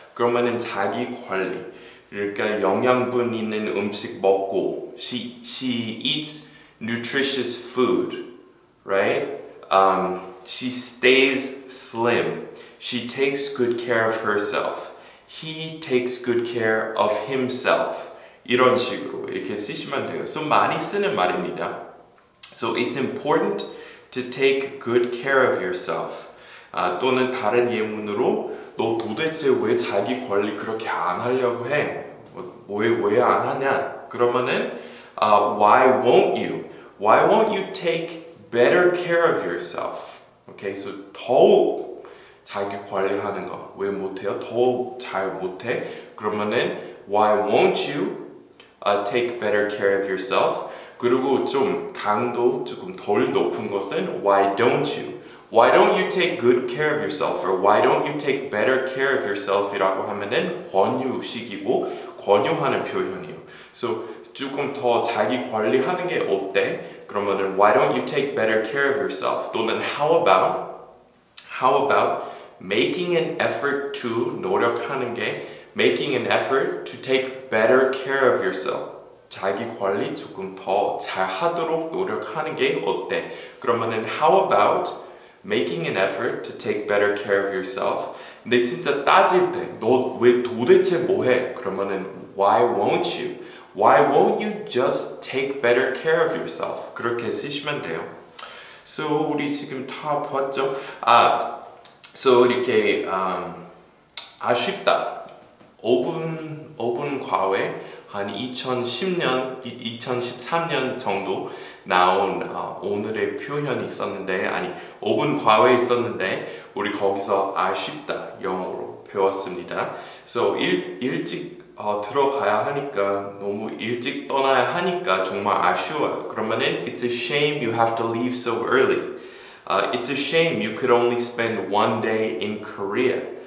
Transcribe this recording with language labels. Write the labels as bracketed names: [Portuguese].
[Korean] 그러면은 자기 관리. 그러니까 영양분 있는 음식 먹고 [English] she eats nutritious food, right? She stays slim. She takes good care of herself. He takes good care of himself. [Korean] 이런 식으로 이렇게 쓰시면 돼요. So 많이 쓰는 말입니다. [English] So it's important to take good care of yourself. [Korean] 또는 다른 예문으로 너 도대체 왜 자기 관리 그렇게 안 하려고 해? 왜 안 하냐? 그러면은 [English] why won't you? Why won't you take better care of yourself? [Korean] Okay, so 더욱 자기 관리하는 거 왜 못해요? 더욱 잘 못해? 그러면은 [English] why won't you take better care of yourself? [Korean] 그리고 좀 강도 조금 덜 높은 것은 [English] why don't you? Why don't you take good care of yourself? Or why don't you take better care of yourself? [Korean] 이라고 하면은 권유식이고 권유하는 표현이에요. So 조금 더 자기 관리하는 게 어때? 그러면은 [English] why don't you take better care of yourself? [Korean] 또는 [English] how about making an effort to [Korean] 노력하는 게 [English] making an effort to take better care of yourself. [Korean] 자기 관리 조금 더 잘하도록 노력하는 게 어때? 그러면은 [English] how about making an effort to take better care of yourself? [Korean] 근데 진짜 따질 때 너 왜 도대체 뭐해? 그러면은 [English] why won't you? Why won't you just take better care of yourself? [Korean] 그렇게 쓰시면 돼요. So, 우리 지금 다 봤죠? So, 이렇게 아쉽다. 5분 과외 한 2010년, 2013년 정도 나온 오늘의 표현이 있었는데 아니, 5분 과외 있었는데 우리 거기서 아쉽다 영어로 배웠습니다. So, 일찍 들어가야 하니까 너무 일찍 떠나야 하니까 정말 아쉬워. 그러면은 [English] it's a shame you have to leave so early. It's a shame you could only spend one day in Korea.